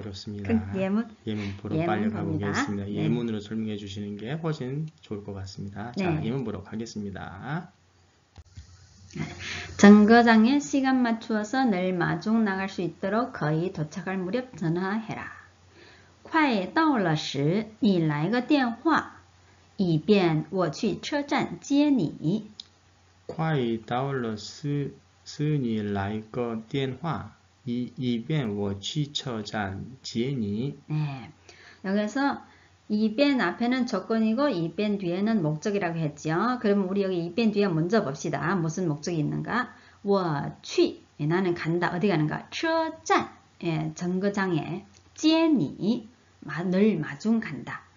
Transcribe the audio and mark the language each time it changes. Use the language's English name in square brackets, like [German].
[Korean] 어렵습니다. 예문 보러 예문 빨려 봅니다. 가보겠습니다. 예문으로 설명해 주시는 게 훨씬 좋을 것 같습니다. 자, 예문 보러 가겠습니다. 정거장에 시간 맞추어서 늘 마중 나갈 수 있도록 거의 도착할 무렵 전화해라. [Chinese] 快到了时，你来个电话，以便我去车站接你。快到了是，是你来个电话，以便我去车站接你。 [Korean] 여기서 이변 앞에는 조건이고 이변 뒤에는 목적이라고 했죠. 그러면 우리 여기 이변 뒤에 먼저 봅시다. 무슨 목적이 있는가? 워취 나는 간다. 어디 가는가? 车站 정거장에 接你 늘 마중 간다.